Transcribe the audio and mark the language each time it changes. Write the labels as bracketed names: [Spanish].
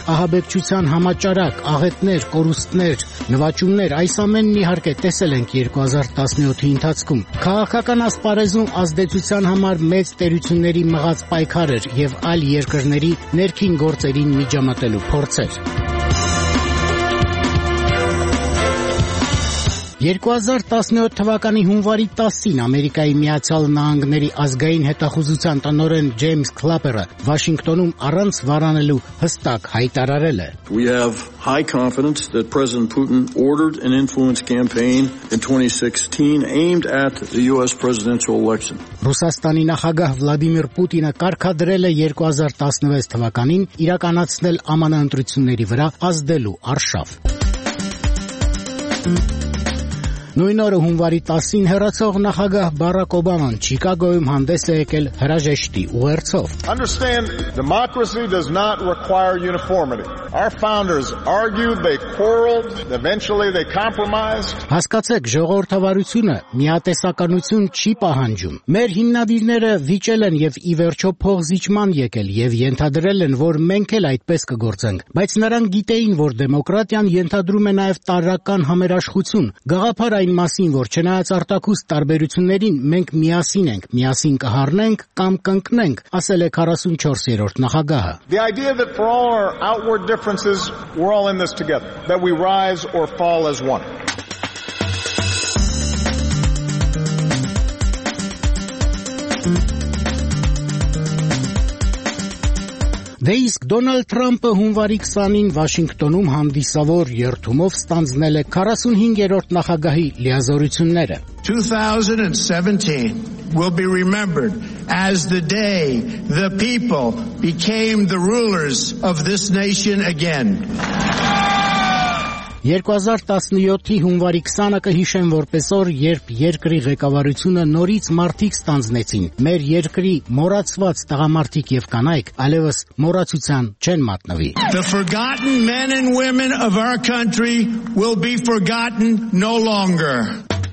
[Armenian] ահաբեկչության համաճարակ, աղետներ, կորուստներ, նվաճումներ, այս ամենն իհարկե տեսել ենք 2017-ի ընթացքում։ Քաղաքական ասպարեզում ազդեցության համար մեծ տերությունների մղած պայքարեր եւ այլ երկրների ներքին գործերին միջամտելու փորձեր։ 2017 թվականի հունվարի 10-ին Ամերիկայի Միացյալ Նահանգների ազգային հետախուզության տնօրեն Ջեյմս Քլապերը Վաշինգտոնում առանց վարանելու հստակ հայտարարել է. [English] We have high confidence that President Putin ordered an influence campaign in 2016 aimed at the US presidential election. [Armenian] Ռուսաստանի նախագահ Վլադիմիր Պուտինը կարգադրել է 2016 թվականին իրականացնել ԱՄՆ ընտրությունների վրա ազդելու արշավ։ Նույն օրը հունվարի 10-ին հեռացող նախագահ Բարակ Օբաման Չիկագոյում հանդես է եկել հրաժեշտի ուղերձով. [English] Understand, democracy does not require uniformity. Our founders argued, they quarreled, eventually they compromised. [Armenian] Հասկացեք, ժողովրդավարությունը միատեսականություն չի պահանջում։ Մեր հիմնադիրները վիճել են եւ ի վերջո փողզիջման եկել եւ ենթադրել են, որ մենք էլ այդպես կգործենք, բայց նրանք գիտեին, որ դեմոկրատիան ենթադրում է նաեւ տարրական համերաշխություն։ Գաղափար այն մասին, որ չնայած արտակուս տարբերություններին մենք միասին ենք, միասին կհառնենք կամ կընկնենք, ասել է 44-րդ նախագահը. [English] The idea that for all our outward differences we're all in this together, that we rise or fall as one. [Armenian] Դե իսկ Դոնալդ Թրամփը հունվարի 20-ին Վաշինգտոնում հանդիսավոր երթումով ստանձնել է 45-րդ նախագահի լիազորությունները. [English] 2017 will be remembered as the day the people became the rulers of this nation again. [Armenian] 2017-ի հունվարի 20-ը կհիշեն որպես օր, երբ երկրի ղեկավարությունը նորից մարդիկ ստանձնեցին. մեր երկրի մոռացված տղամարդիկ եւ կանայք այլևս մոռացության չեն մատնվի. [English] The forgotten men and women of our country will be forgotten no longer.